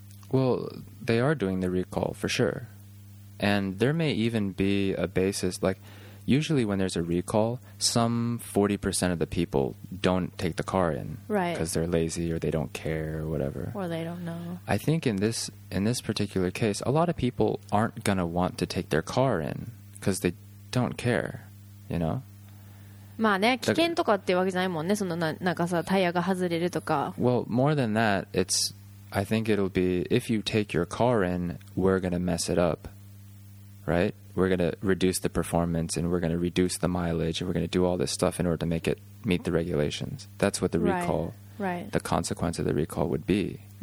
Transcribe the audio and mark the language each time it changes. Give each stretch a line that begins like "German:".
English: Well, they are doing the recall for sure. And there may even be a basis, like usually when there's a recall, some 40% of the people don't take the car in. Right. Because they're lazy or they don't care or whatever. Or they don't know. I think in this particular case, a lot of people aren't going to want to take their car in because they don't care, you know?
Japanese: まあね、危険とかってわけじゃないもんね。そのなんかさ、タイヤが外れるとか。
English: Well, more than that, I think it'll be, if you take your car in, we're going to mess it up. Right, we're going to reduce the performance and we're going to reduce the mileage and we're going to do all this stuff in order to make it meet the regulations. That's what the recall, right. The consequence of the recall would be.